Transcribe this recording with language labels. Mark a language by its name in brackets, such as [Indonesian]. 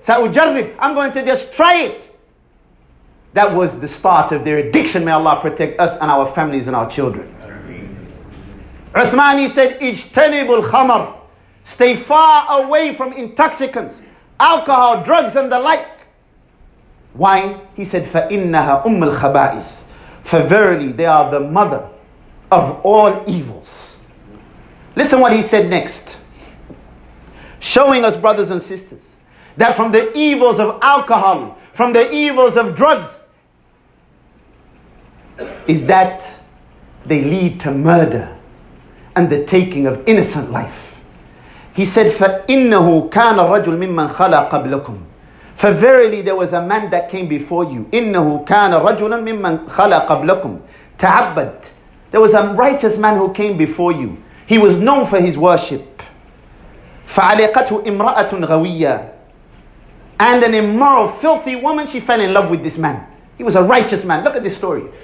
[Arabic] سأجرب. [English] I'm going to just try it. That was the start of their addiction. May Allah protect us and our families and our children. Uthman, he said, [Arabic] اجتنب الخمر. [English] Stay far away from intoxicants, alcohol, drugs and the like. Why? He said, [Arabic] فَإِنَّهَا أُمَّ الْخَبَائِثِ. [English] For verily, they are the mother of all evils. Listen what he said next. Showing us, brothers and sisters, that from the evils of alcohol, from the evils of drugs, is that they lead to murder and the taking of innocent life. He said, [Arabic] فَإِنَّهُ كَانَ الرَّجُلْ مِمَّنْ خَلَى قَبْلَكُمْ. [English] For verily there was a man that came before you. [Arabic] إِنَّهُ كَانَ رَجُلًا مِمَّنْ خَلَى قَبْلَكُمْ تَعَبَّدْ. [English] There was a righteous man who came before you. He was known for his worship. [Arabic] فَعَلِقَتْهُ إِمْرَأَةٌ غَوِيَّةٌ. [English] And an immoral, filthy woman, she fell in love with this man. He was a righteous man. Look at this story.